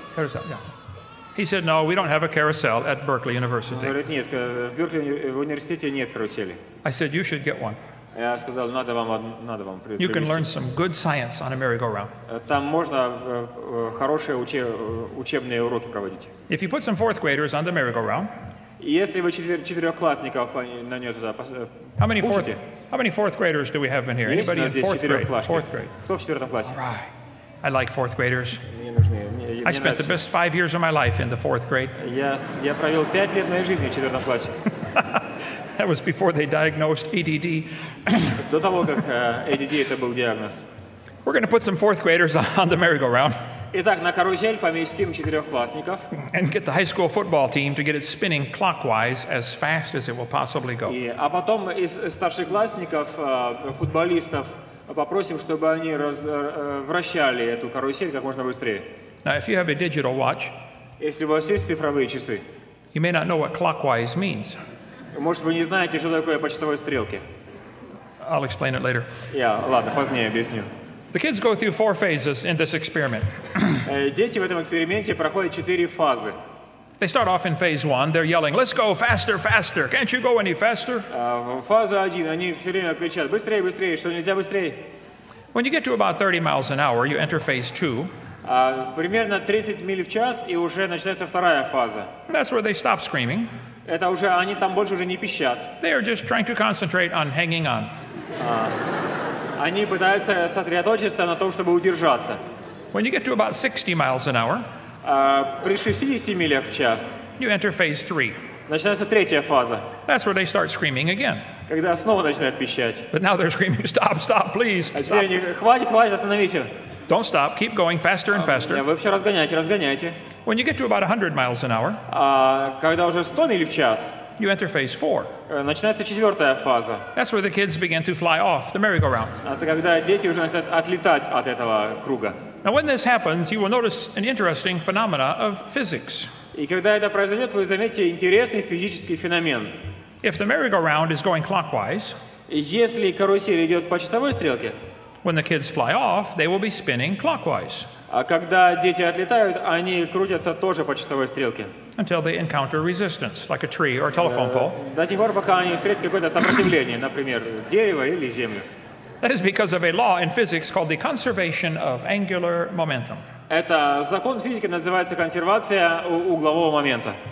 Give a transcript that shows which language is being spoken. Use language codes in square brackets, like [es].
[en] Карусель, yeah. He said, no, we don't have a carousel at Berkeley University. [ru] Он говорит, нет, в Беркли университете нет карусели. [en] I said, you should get one. [ru] Я сказал, надо вам привести. [en] You can learn some good science on a merry-go-round. [ru] Там можно хорошие учебные уроки проводить. [en] If you put some fourth graders on the merry-go-round, [ru] если вы четырехклассников на нее туда пустите. [en] How many fourth graders do we have in here? [ru] Есть [en] anybody [ru] здесь [en] in fourth grade? [ru] Кто в четвертом классе? [en] All right. I like fourth graders. [ru] Мне [en] I spent the best 5 years of my life in the fourth grade. [ru] Yes, я провел 5 лет моей жизни в четвертом классе. [en] That was before they diagnosed ADD. [ru] До того, как ADD это был диагноз. [en] We're going to put some fourth graders on the merry-go-round. [ru] Итак, на карусель поместим четырехклассников. [en] And get the high school football team to get it spinning clockwise as fast as it will possibly go. [ru] А потом из старшеклассников, футболистов, попросим, чтобы они вращали эту карусель как можно быстрее. [en] Now, if you have a digital watch, [ru] если у вас есть цифровые часы, [en] you may not know what clockwise means. [ru] Может, вы не знаете, что такое по часовой стрелке. [en] I'll explain it later. [ru] Ладно, позднее объясню. [en] The kids go through 4 phases in this experiment. [ru] Дети в этом эксперименте проходят 4 фазы. [en] They start off in phase 1. They're yelling, "Let's go faster, faster! Can't you go any faster?" [ru] Фаза 1. Они все время кричат, быстрее, быстрее, что нельзя быстрее. [en] When you get to about 30 miles an hour, you enter phase 2. [ru] Примерно 30 миль в час, и уже начинается вторая фаза. [en] That's where they stop screaming. [ru] Это уже они там больше уже не пищат. [en] They are just trying to concentrate on hanging on. [ru] Они пытаются сосредоточиться на том, чтобы удержаться. [en] When you get to about 60 miles an hour, [ru] при 60 милях в час, [en] you enter phase 3. [ru] Начинается третья фаза. [en] That's where they start screaming again. [ru] Когда снова начинают пищать. [en] But now they're screaming, "Stop, stop, please!" [ru] А теперь они, хватит, хватит, остановите. [en] Don't stop, keep going faster and faster. [ru] Вы все разгоняете, разгоняете. [en] When you get to about 100 miles an hour, [ru] когда уже 100 миль в час, [en] you enter phase 4. [ru] Начинается четвертая фаза. [en] That's where the kids begin to fly off the merry-go-round. [ru] Это когда дети уже начинают отлетать от этого круга. [en] Now when this happens, you will notice an interesting phenomena of physics. [ru] И когда это произойдет, вы заметите интересный физический феномен. [en] If the merry-go-round is going clockwise, [ru] если карусель идет по часовой стрелке, [en] when the kids fly off, they will be spinning clockwise. [ru] А когда дети отлетают, они крутятся тоже по часовой стрелке. [en] until they encounter resistance, like a tree or a telephone pole. [ru] До тех пор, пока они встретят какое-то сопротивление, например, дерево или землю. [en] That is because of a law in physics called the conservation of angular momentum. [ru] Это закон физики называется консервация углового момента.